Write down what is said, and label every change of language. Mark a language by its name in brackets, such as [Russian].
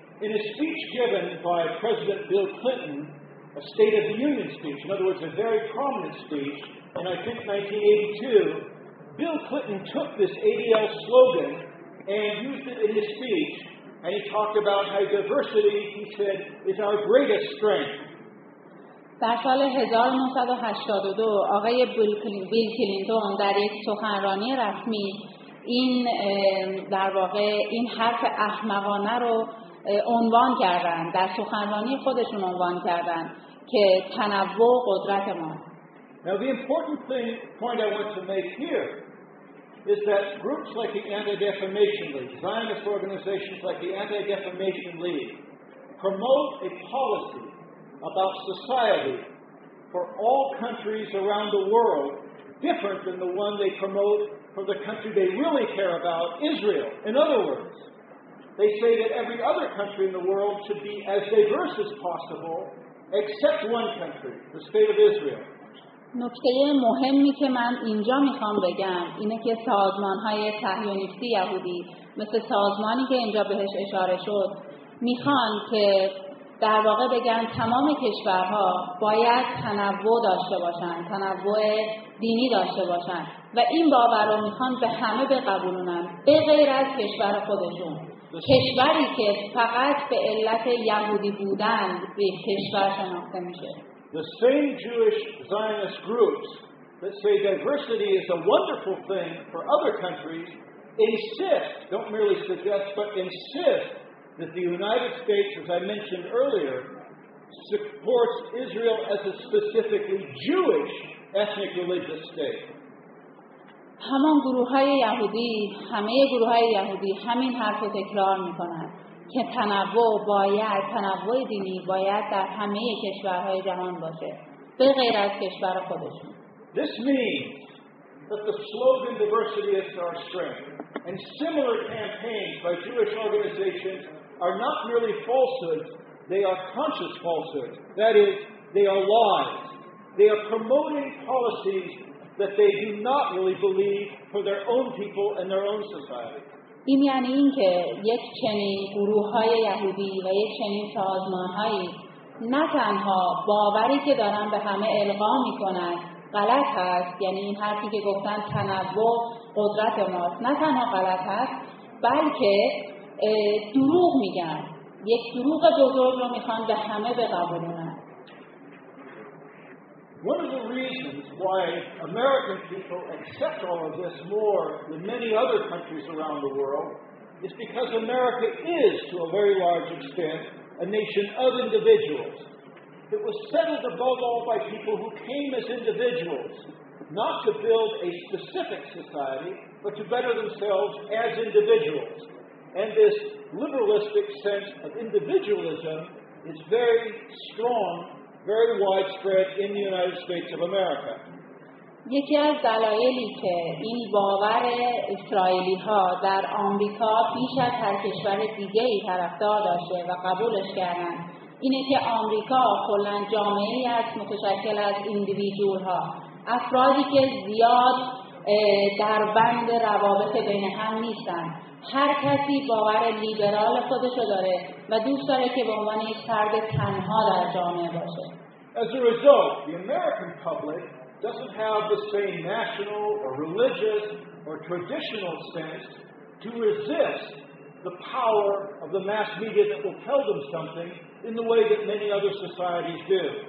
[English] In a speech given by President Bill Clinton, a State of the Union speech, in other words, a very prominent speech, and I think 1982, Bill Clinton took this ADL slogan and used it in his speech, and he talked about how diversity, he said, is our greatest strength. [Persian] در سال 1982 آقای بیل کلینتون در یک سخنرانی رسمی این در واقع این حرف احمقانه رو عنوان کردن، در سخنرانی خودشون عنوان کردن که تنوع قدرت ما. [English] Now the important thing, point I want to make here is that groups like the Anti-Defamation League, Zionist organizations like the Anti-Defamation League promote a policy about society for all countries around the world different than the one they promote for the country they really care about, Israel. In other words, they say that every other country in the world should be as diverse as possible, except one country, the state of Israel. [Persian] نکته مهمی که من اینجا میخوام بگم اینه که سازمان‌های صهیونیستی یهودی مثل سازمانی که اینجا بهش اشاره شد میخوان که در واقع بگن تمام کشورها باید تنوع داشته باشن، تنوع دینی داشته باشن و این باور رو میخوان به همه بقبولونن به غیر از کشور خودشون. کشوری که فقط به علت یهودی بودن به کشور شناخته میشه. [English] The same Jewish Zionist groups that say diversity is a wonderful thing for other countries insist, don't merely suggest, but insist that the United States, as I mentioned earlier, supports Israel as a specifically Jewish ethnic religious state. [Persian] همان گروه‌های یهودی، همه گروه‌های یهودی همین حرف رو تکرار می‌کنند که تنوع باید، تنوع دینی باید در همه کشورهای جهان باشه، به غیر از کشور خودشون. [English] This means that the slogan "Diversity is our strength" and similar campaigns by Jewish organizations are not merely falsehoods; they are conscious falsehoods. That is, they are lies. They are promoting policies that they do not really believe for their own people and their own society. [Persian] این یعنی این که یک چنین گروه‌های یهودی و یک چنین سازمان‌هایی نه تنها باوری که دارن به همه القا می‌کنن غلط هست، یعنی این حرفی که گفتن تنوع قدرت ماست نه تنها غلط هست بلکه دروغ میگن، یک دروغ بزرگ رو می‌خوان به همه بقبولونن. [English] One of the reasons why American people accept all of this more than many other countries around the world is because America is, to a very large extent, a nation of individuals. It was settled above all by people who came as individuals, not to build a specific society, but to better themselves as individuals. And this liberalistic sense of individualism is very strong, very widespread in the United States of America. [Persian] یکی از دلایلی که این باور اسرائیلی‌ها در آمریکا بیش از هر کشور دیگه‌ای طرفدار داشته و قبولش کردن اینه که آمریکا کلاً جامعه‌ای است متشکل از ایندیویدوال‌ها، افرادی که زیاد در بند روابط بین هم نیستن. هر کسی باور لیبرال خودشو داره و دوست داره که به عنوان یک فرد تنها در جامعه باشه. [English] As a result, the American public doesn't have the same national or religious or traditional sense to resist the power of the mass media that will tell them something in the way that many other societies do.